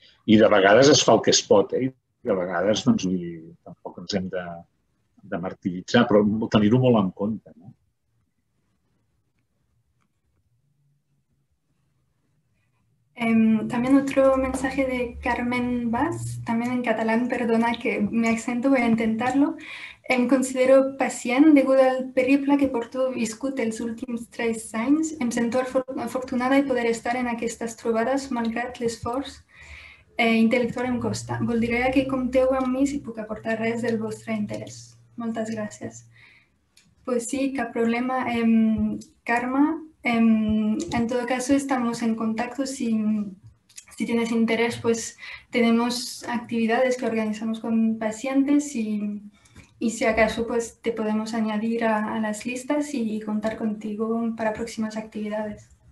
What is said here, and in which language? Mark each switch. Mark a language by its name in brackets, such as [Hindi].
[Catalan] I de vegades es fa el que es pot, eh? De vegades, doncs, tampoc ens hem de martiritzar, però tenir-ho molt en compte, no? [Spanish] También otro mensaje de Carmen Bas, también en catalán, perdona que me acento, voy a intentarlo. [Catalan] Em considero pacient degudo al periple que porto viscut els últims 3 anys. Em sento afortunada de poder estar en aquestes trobades malgrat l'esforç intel·lectual em costa. Voldria que compteu amb mi si puc aportar res del vostre interès. Moltes gràcies. [Spanish] Pues sí, [Catalan] cap problema, Carme. [Spanish] En todo caso, estamos en contacto. Si tienes interés, pues tenemos actividades que organizamos con pacientes y si acaso, pues te podemos añadir a las listas y contar contigo para próximas actividades.